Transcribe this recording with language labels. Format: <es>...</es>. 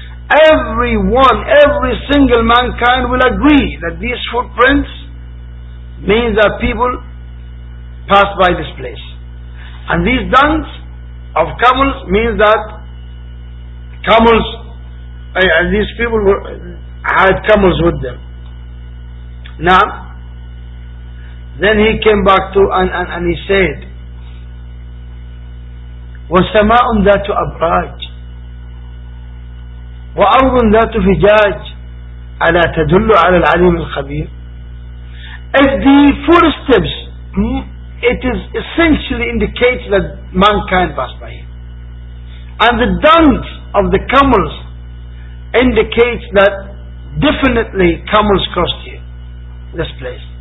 <en>Everyone, every single mankind will agree that these footprints means that people passed by this place. And these dungs of camels means that camels, these people had camels with them. Now, then he came back to and he said,</en> <ar>وَسَمَاءٌ ذَاتُ أَبْرَاجٍ وَأَرْضٌ ذَاتُ فِجَاجٍ أَلَا تَدُلُّ عَلَى الْعَلِيمِ الْخَبِيرِ.</ar> <en>As the footsteps, it is essentially indicates that mankind passed by him. And the dung of the camels indicates that definitely camels crossed here, this place.</en>